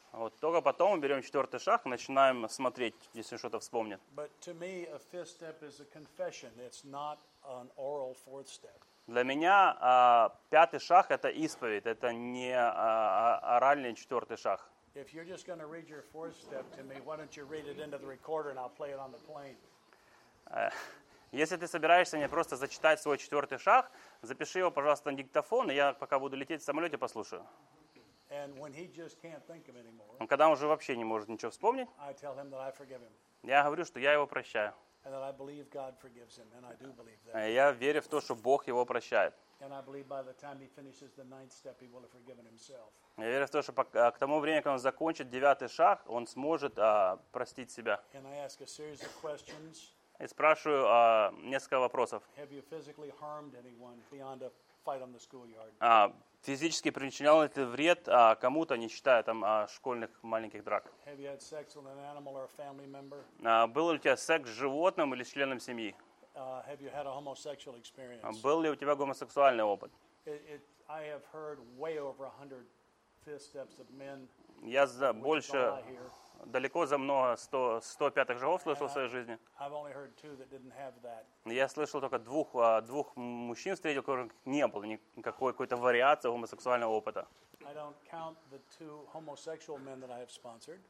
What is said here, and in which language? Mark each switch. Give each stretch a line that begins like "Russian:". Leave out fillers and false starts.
Russian: Вот только потом мы берем четвертый шаг и начинаем смотреть, если что-то вспомнит.
English: But to me, a fifth step is a confession. It's not an oral fourth step.
Russian: Для меня пятый шаг – это исповедь, это не оральный четвертый шаг.
English: If you're just going to read your fourth step to me, why don't you read it into the recorder and I'll play it on the plane?
Russian: Если ты собираешься мне просто зачитать свой четвертый шаг, запиши его, пожалуйста, на диктофон, и я пока буду лететь в самолете, послушаю.
English: And when he just can't think of anymore,
Russian: когда он уже вообще не может ничего вспомнить,
English: I tell him that I forgive him.
Russian: Я говорю, что я его прощаю.
English: And that I believe God forgives him, and I do believe that.
Russian: Я верю в то, что Бог его прощает.
English: And I believe by the time he finishes the ninth step, he will have forgiven himself.
Russian: Я верю в то, что к тому времени, когда он закончит девятый шаг, он сможет простить себя.
English: And I ask a series of questions.
Russian: И спрашиваю несколько вопросов.
English: Have you physically harmed anyone beyond a fight on the schoolyard?
Russian: Физически причинял ли ты вред кому-то, не считая там школьных маленьких драк?
English: Have you had sex with an animal or a family member?
Russian: Был ли у тебя секс с животным или с членом семьи?
English: Have you had a homosexual experience?
Russian: Был ли у тебя гомосексуальный опыт?
English: I have heard way over 100 fifth steps of men.
Russian: Я за больше далеко за много 100 пятых шагов слышал в своей жизни.
English: I've only heard two that didn't have that.
Russian: Я слышал только двух мужчин встретил, у которых не было никакой какой-то вариации гомосексуального опыта.
English: I don't count the two homosexual men that I have sponsored.